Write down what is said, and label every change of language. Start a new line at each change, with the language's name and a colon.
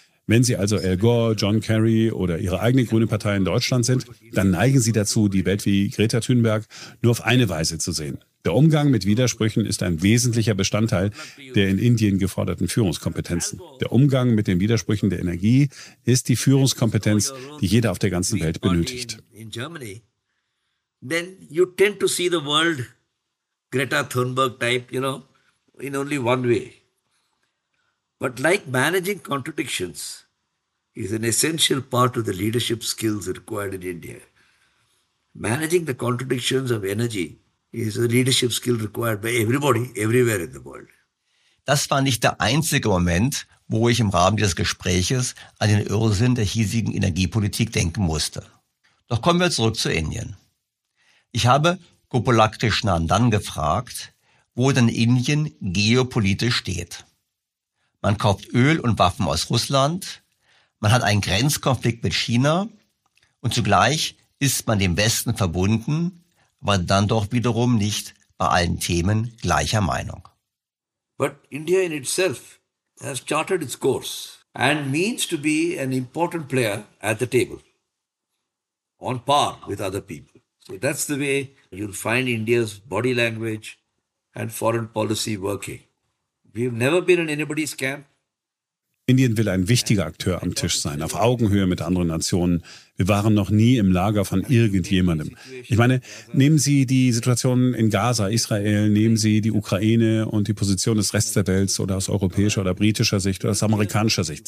German: Wenn Sie also Al Gore, John Kerry oder Ihre eigene grüne Partei in Deutschland sind, dann neigen Sie dazu, die Welt wie Greta Thunberg nur auf eine Weise zu sehen. Der Umgang mit Widersprüchen ist ein wesentlicher Bestandteil der in Indien geforderten Führungskompetenzen. Der Umgang mit den Widersprüchen der Energie ist die Führungskompetenz, die jeder auf der ganzen Welt benötigt.
English: In Germany, then you tend to see the world Greta Thunberg type, you know, in only one way. But like managing contradictions is an essential part of the leadership skills required in India. Managing the contradictions of energy is a leadership skill required by everybody, everywhere in the world.
German: Das war nicht der einzige Moment, wo ich im Rahmen dieses Gespräches an den Irrsinn der hiesigen Energiepolitik denken musste. Doch kommen wir zurück zu Indien. Ich habe Gopalak Krishnanandan gefragt, wo denn Indien geopolitisch steht. Man kauft Öl und Waffen aus Russland, man hat einen Grenzkonflikt mit China und zugleich ist man dem Westen verbunden, aber dann doch wiederum nicht bei allen Themen gleicher Meinung.
English: But India in itself has charted its course and means to be an important player at the table, on par with other people. So that's the way you'll find India's body language and foreign policy working. We've never been in anybody's camp.
German: Indien will ein wichtiger Akteur am Tisch sein, auf Augenhöhe mit anderen Nationen. Wir waren noch nie im Lager von irgendjemandem. Ich meine, nehmen Sie die Situation in Gaza, Israel, nehmen Sie die Ukraine und die Position des Rests der Welt oder aus europäischer oder britischer Sicht oder aus amerikanischer Sicht.